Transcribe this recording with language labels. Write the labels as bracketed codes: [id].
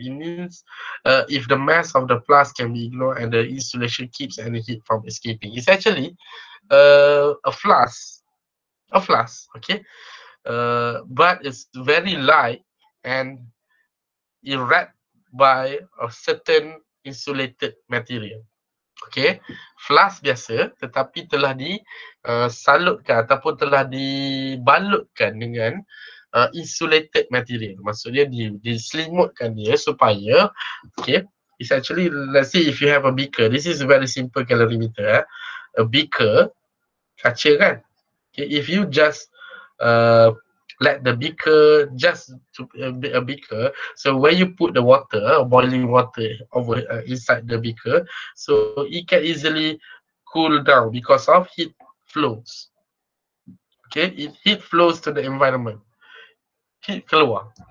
[en] It means if the mass of the flask can be ignored and the insulation keeps any heat from escaping. It's actually a flask, okay, but it's very light and it wrapped by a certain insulated material. [ms] Okay, flask biasa tetapi telah disalutkan ataupun telah dibalutkan dengan insulated material. Maksudnya diselimutkan dia supaya, [en] okay, it's actually, let's see if you have a beaker. This is a very simple calorimeter. A beaker, [ms] kaca kan? [en] Okay, if you just let the beaker just to be a beaker, so when you put the water, boiling water over inside the beaker, so it can easily cool down because of heat flows. Okay, it heat flows to the environment. heat keluar.